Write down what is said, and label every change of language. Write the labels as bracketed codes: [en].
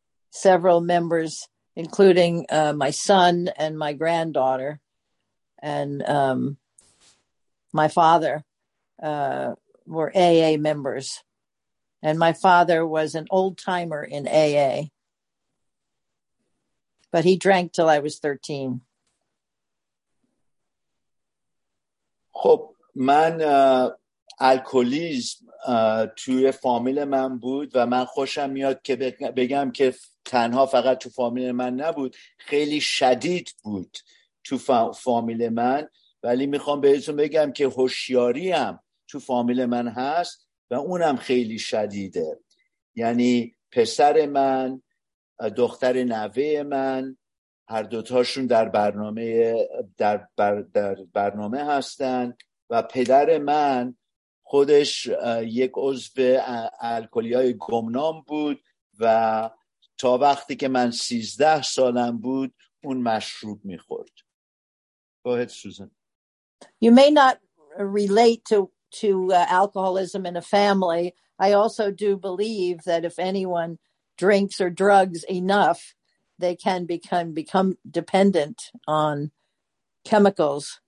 [en] Several members, including my son and my granddaughter and my father, were AA members. And my father was an old timer in AA, but he drank till I was 13. [fa] خب من الکلیزم توی فامیل من بود و من خوشم میاد که بگم که تنها فقط تو فامیل من نبود، خیلی شدید بود تو فامیل من، ولی میخوام بهتون بگم که هوشیاریم تو فامیل من هست و اونم خیلی شدیده. یعنی پسر من، دختر نوه من، هر دوتاشون در برنامه هستن و پدر من خودش یک عضو الکلی‌های گمنام بود و تا وقتی که من 13 سالم بود اون مشروب می‌خورد. [en] Go ahead, Susan. You may not relate to alcoholism in a family. I also do believe that if anyone drinks or drugs enough, they can become dependent on chemicals.